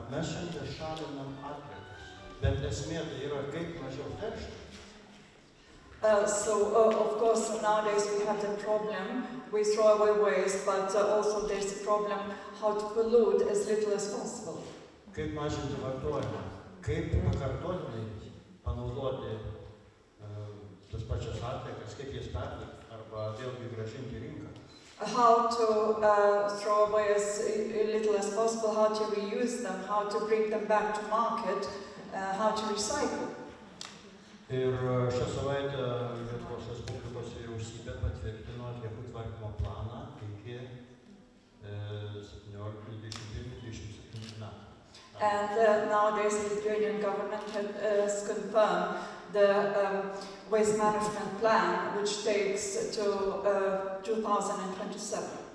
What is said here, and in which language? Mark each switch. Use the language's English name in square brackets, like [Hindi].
[Lithuanian] Mes šiandien šalinam atliekas. Bet esmė tai yra kaip mažiau teršti. [English] Of course, nowadays we have the problem, we throw away waste, but also there's a problem how to pollute as little as possible. [Lithuanian] Kaip mažinti vartojimą? Kaip pakartotinai panaudoti tas pačias atliekas, kaip jas perdirbti arba vėlgi grąžinti rinką? [English] How to throw away as little as possible, how to reuse them, how to bring them back to market, how to recycle. [Lithuanian] Ir šią savaitę Lietuvos Respublikos vyriausybė patvirtino atliekų tvarkymo planą iki 2027 metų. [English] And nowadays the Lithuanian government has confirmed the waste management plan, which takes to 2027.